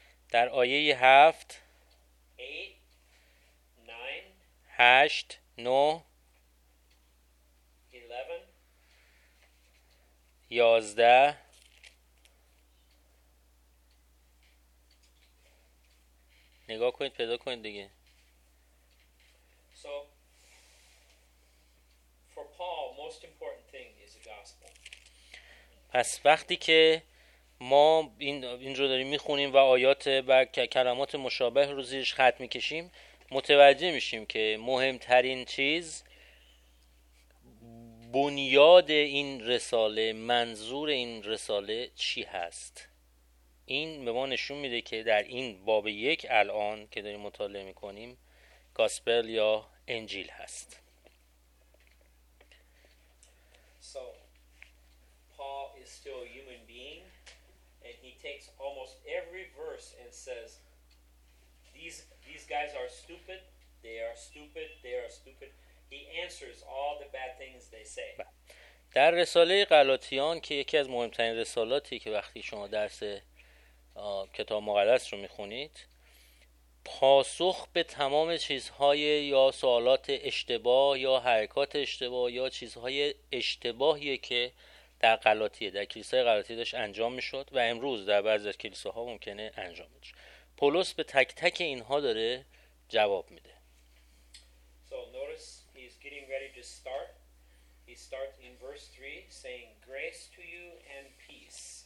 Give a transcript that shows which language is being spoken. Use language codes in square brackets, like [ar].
[fa] در آیه 7 8 9 11 نگاه کنید پیدا کنید دیگه. [en] So for Paul most important thing is the gospel. [fa] پس وقتی که ما این رو داریم میخونیم و آیات و کلمات مشابه رو زیرش خط میکشیم متوجه میشیم که مهمترین چیز بنیاد این رساله، منظور این رساله چی هست. این به ما نشون میده که در این باب 1 الان که داریم مطالعه میکنیم گاسپل یا انجیل هست. [en] So Paul is still a human being, and he takes almost every verse and says, these guys are stupid, they are stupid, they are stupid. He answers all the bad things they say. [fa] در رساله غلاطیان که یکی از مهمترین رسالاتی که وقتی شما درس کتاب مقدس رو میخونید، پاسخ به تمام چیزهای یا سوالات اشتباه یا حرکات اشتباه یا چیزهای اشتباهی که در غلاطیه در کلیسای غلاطیه داشت انجام میشد و امروز در بعضی از کلیساها ممکنه انجام بشه، پولس به تک تک اینها داره جواب میده. [en] So notice he's getting ready to start. He starts in verse 3 saying grace to you and peace.